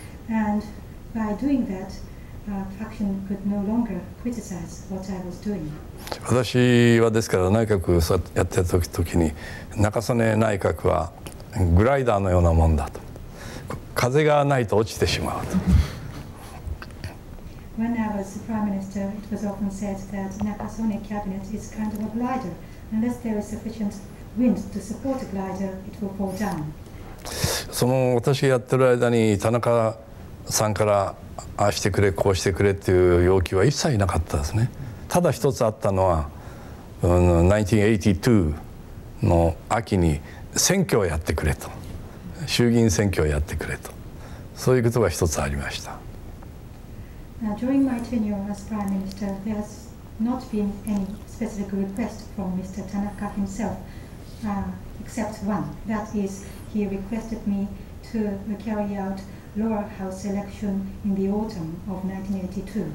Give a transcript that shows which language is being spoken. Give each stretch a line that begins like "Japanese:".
English: And by doing that, faction could no longer criticize what I was doing.
Japanese: 私はですから内閣をやってた時に、中曽根内閣はグライダーのようなもんだと、風がないと落ちてしまうと。
English: When I was prime minister, it was often said that Nakasone cabinet is kind of a glider. Unless there is sufficient wind to support a glider, it will fall down.
Japanese: その私がやってる間に田中さんからああしてくれこうしてくれっていう要求は一切なかったですね。ただ一つあったのは、1982の秋に選挙をやってくれと、衆議院選挙をやってくれと、そういうことが一つありました。
English: Now, during my tenure as prime minister, there has not been any specific request from Mr. Tanaka himself, except one, that isHe requested me to carry out lower house election in the autumn of 1982.